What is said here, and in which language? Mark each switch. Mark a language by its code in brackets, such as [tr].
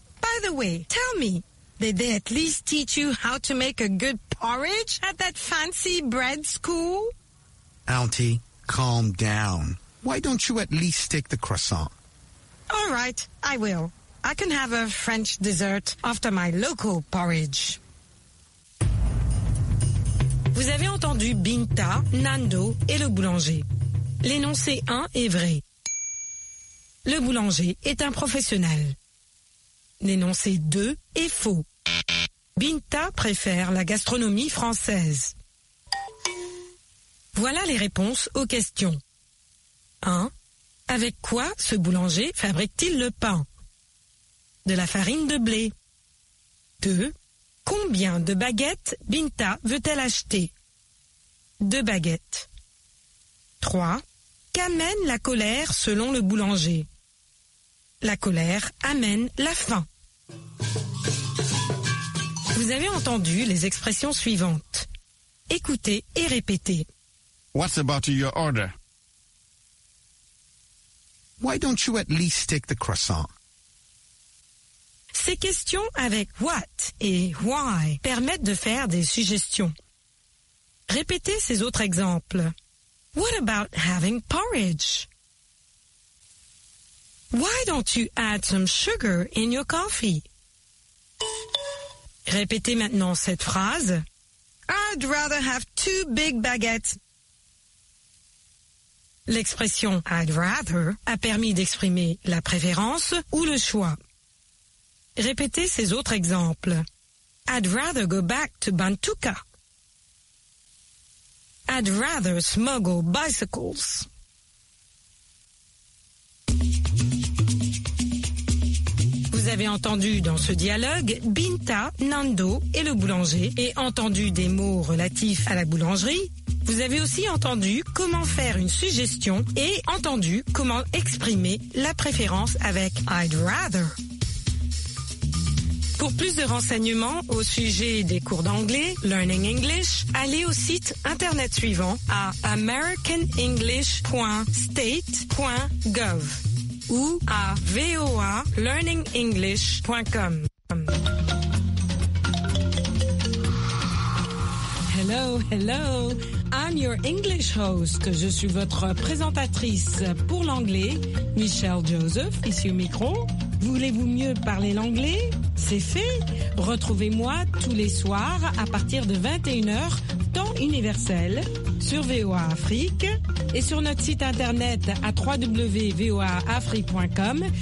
[en] By the way, tell me, did they at least teach you how to make a good porridge at that fancy bread school? Auntie, calm down. Why don't you at least take the croissant? All right, I will. I can have a French dessert after my local porridge. [fr] Vous avez entendu Binta, Nando et le boulanger. L'énoncé 1 est vrai. Le boulanger est un professionnel. L'énoncé 2 est faux. Binta préfère la gastronomie française. Voilà les réponses aux questions. 1. Avec quoi ce boulanger fabrique-t-il le pain? De la farine de blé. 2. Combien de baguettes Binta veut-elle acheter? 2 baguettes. 3. Qu'amène la colère selon le boulanger? La colère amène la faim. Vous avez entendu les expressions suivantes. Écoutez et répétez. [en] What's about your order? Why don't you at least take the croissant? [fr] Ces questions avec « what » et « why » permettent de faire des suggestions. Répétez ces autres exemples. [en] What about having porridge? Why don't you add some sugar in your coffee? [fr] Répétez maintenant cette phrase. [en] I'd rather have two big baguettes. [fr] L'expression « I'd rather » a permis d'exprimer la préférence ou le choix. Répétez ces autres exemples. [en] I'd rather go back to Bantuka. I'd rather smuggle bicycles. [fr] Vous avez entendu dans ce dialogue Binta, Nando et le boulanger et entendu des mots relatifs à la boulangerie. Vous avez aussi entendu comment faire une suggestion et entendu comment exprimer la préférence avec I'd rather. Pour plus de renseignements au sujet des cours d'anglais, Learning English, allez au site internet suivant à americanenglish.state.gov ou à voalearningenglish.com. [en] Hello, hello, I'm your English host. [fr] Je suis votre présentatrice pour l'anglais, Michelle Joseph, ici au micro. Voulez-vous mieux parler l'anglais? C'est fait! Retrouvez-moi tous les soirs à partir de 21h, temps universel, sur VOA Afrique et sur notre site internet à www.voaafrique.com.